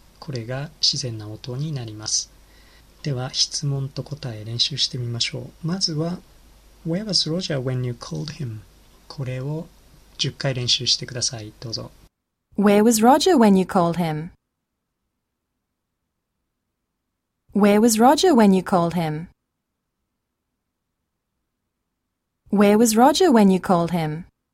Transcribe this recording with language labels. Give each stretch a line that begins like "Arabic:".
Japanese: これが自然な応答になります。では、質問と答え練習してみましょう。まずは、
English: Where was Roger when you called him?
Japanese: これを10回練習してください。どうぞ。
English: Where was Roger when you called him? Where was Roger when you called him? Where was Roger when you called him?